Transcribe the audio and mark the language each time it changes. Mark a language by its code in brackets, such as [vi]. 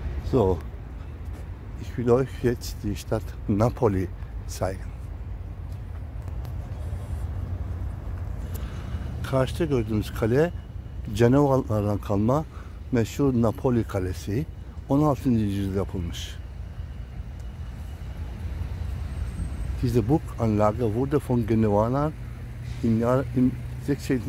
[de] So, ich will euch jetzt die Stadt Napoli zeigen. [tr] Karşıda gördüğümüz kale Cenovalılardan kalma meşhur Napoli Kalesi, 16. yüzyılda yapılmış. [de] Diese Burganlage wurde von Genovanern im 16.